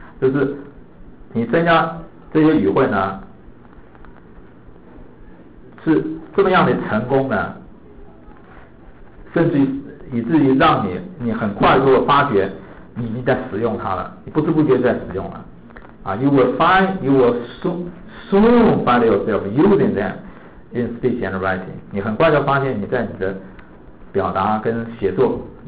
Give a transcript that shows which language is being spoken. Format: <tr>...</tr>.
<zh>就是你增加这些语汇呢，是这么样的成功呢，甚至以至于让你很快速的发觉你已经在使用它了，你不知不觉在使用了啊。</zh> <en>You will soon find yourself using them in speech and writing.</en> <zh>你很快就发现你在你的表达跟写作。</zh>